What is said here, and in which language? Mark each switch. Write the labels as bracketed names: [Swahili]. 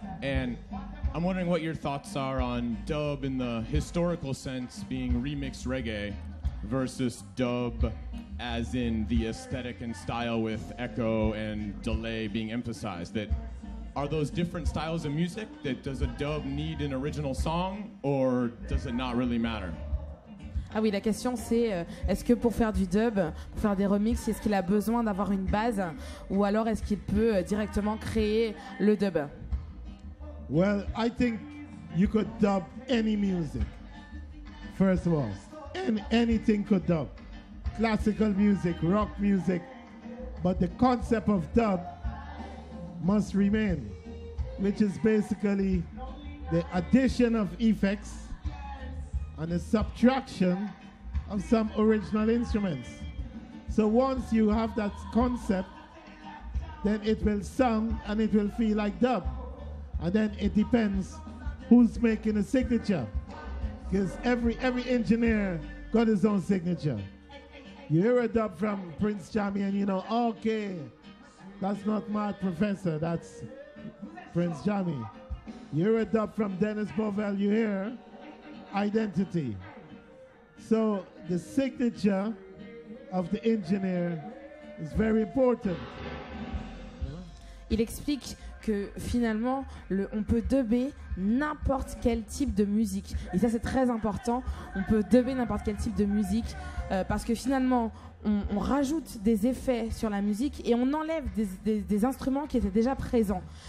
[English] And I'm wondering what your thoughts are on dub in the historical sense being remixed reggae versus dub as in the aesthetic and style with echo and delay being emphasized. That are those different styles of music? That does a dub need an original song or does it not really matter? [French] Ah oui, la question c'est, est-ce que pour faire du dub, pour faire des remixes, est-ce qu'il a besoin d'avoir une base, ou alors est-ce qu'il peut directement créer le dub? [English] Well, I think you could dub any music, first of all. And anything could dub. Classical music, rock music. But the concept of dub must remain, which is basically the addition of effects and a subtraction of some original instruments. So once you have that concept, then it will sound and it will feel like dub. And then it depends who's making a signature. Because every engineer got his own signature. You hear a dub from Prince Jammy and you know, okay, that's not Mad Professor, that's Prince Jammy. You hear a dub from Dennis Bovell, you hear identity. So the signature of the engineer is very important. [French] Il explique que finalement on peut dubber n'importe quel type de musique, et ça c'est très important. On peut dubber n'importe quel type de musique parce que finalement on rajoute des effets sur la musique et on enlève des instruments qui étaient déjà présents.